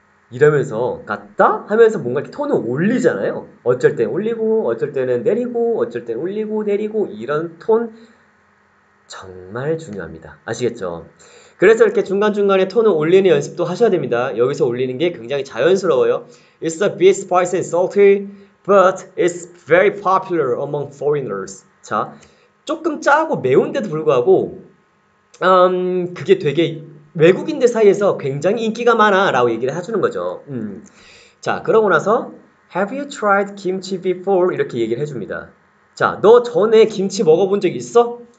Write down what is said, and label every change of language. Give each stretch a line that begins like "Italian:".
Korean: 이러면서 갔다? 하면서 뭔가 이렇게 톤을 올리잖아요. 어쩔 땐 올리고, 어쩔 때는 내리고, 어쩔 땐 올리고, 내리고, 이런 톤. 정말 중요합니다. 아시겠죠? 그래서 이렇게 중간중간에 톤을 올리는 연습도 하셔야 됩니다. 여기서 올리는 게 굉장히 자연스러워요.
English: It's a bit spicy and salty, but it's very popular among foreigners.
Korean: 자, 조금 짜고 매운데도 불구하고, 그게 되게 외국인들 사이에서 굉장히 인기가 많아라고 얘기를 해주는 거죠. 자, 그러고 나서
English: Have you tried kimchi before?
Korean: 이렇게 얘기를 해줍니다. 자, 너 전에 김치 먹어본 적 있어?